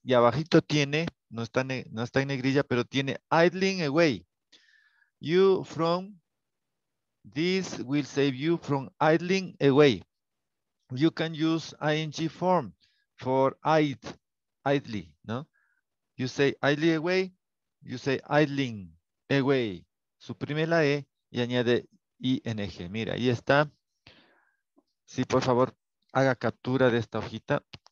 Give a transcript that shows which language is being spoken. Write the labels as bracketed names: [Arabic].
[Spanish] Y abajito tiene, no está en negrilla, pero tiene [English] idling away. You from this will save you from idling away. You can use ing form for idly, no? You say idly away, you say idling away. [Spanish] Suprime la E y añade ing. Mira, ahí está. Sí, por favor, haga captura de esta hojita.